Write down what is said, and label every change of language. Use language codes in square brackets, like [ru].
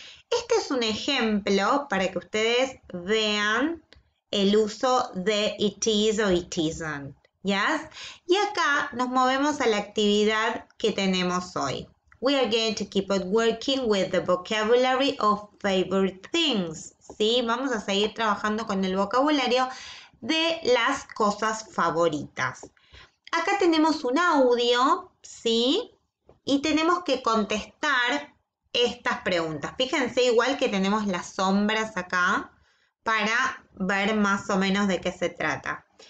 [es] Este es un ejemplo para que ustedes vean el uso de it is o it isn't. ¿Ya? [en] ¿Yes? [es] Y acá nos movemos a la actividad que tenemos hoy. [en] We are going to keep on working with the vocabulary of favorite things. [es] ¿Sí? Vamos a seguir trabajando con el vocabulario de las cosas favoritas. Acá tenemos un audio, ¿sí? Y tenemos que contestar estas preguntas. Fíjense igual que tenemos las sombras acá para ver más o menos de qué se trata.